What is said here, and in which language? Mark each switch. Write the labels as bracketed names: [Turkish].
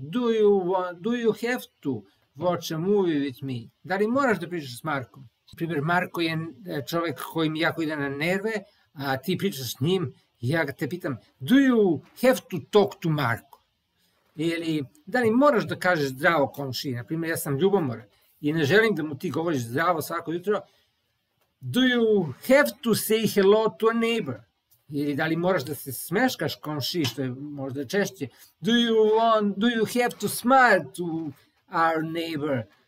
[English] Do you have to watch a movie with me? [Serbian] Da li moraš da pričaš s Markom? Primer, Marko je čovek koji mi jako ide na nerve, a ti pričaš s njim, ja te pitam, [English] do you have to talk to Marko? [Serbian] Ili, da li moraš da kažeš zdravo komšiji? Naprimer, ja sam ljubomoran i ne želim da mu ti govoriš zdravo svako jutro. [English] Do you have to say hello to a neighbor? [Serbian] Ili da li moraš da se smeškaš komšiji, što je možda češće? [English] Do you have to smile to our neighbor?